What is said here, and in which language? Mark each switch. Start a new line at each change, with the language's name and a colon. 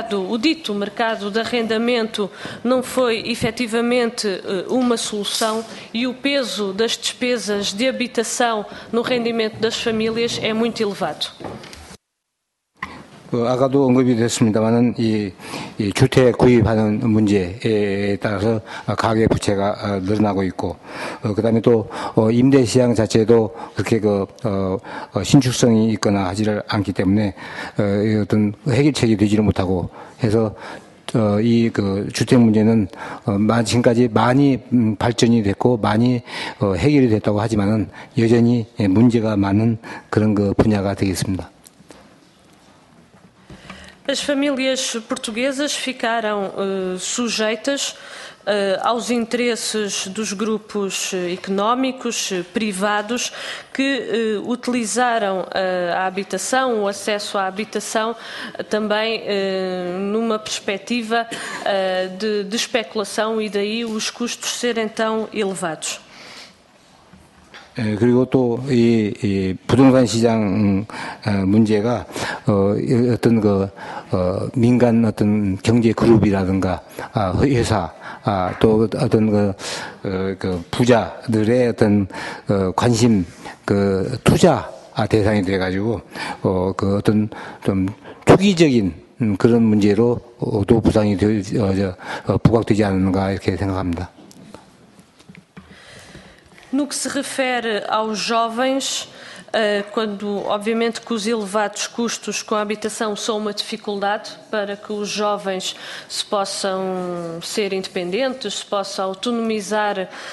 Portuguese: O dito mercado de arrendamento não foi efetivamente uma solução e o peso das despesas de habitação no rendimento das famílias é muito elevado.
Korean: 아까도 언급이 됐습니다만은 이 주택 구입하는 문제에 따라서 가계 부채가 늘어나고 있고, 그다음에 또 임대 시장 자체도 그렇게 신축성이 있거나 하지를 않기 때문에 어떤 해결책이 되지를 못하고 해서 이 주택 문제는 지금까지 많이 발전이 됐고 많이 해결이 됐다고 하지만은 여전히 문제가 많은 그런 분야가 되겠습니다.
Portuguese: As famílias portuguesas ficaram sujeitas aos interesses dos grupos económicos privados que utilizaram a habitação, o acesso à habitação, também numa perspectiva de especulação e daí os custos serem tão elevados.
Korean: 그리고 또 이 부동산 시장 문제가 어떤 민간 어떤 경제 그룹이라든가 회사 또 어떤 부자들의 어떤 관심 투자 대상이 돼 가지고 어떤 좀 투기적인 그런 문제로도 부상이 부각되지 않는가 이렇게 생각합니다.
Portuguese: No que se refere aos jovens, quando obviamente que os elevados custos com a habitação são uma dificuldade para que os jovens se possam ser independentes, se possam autonomizar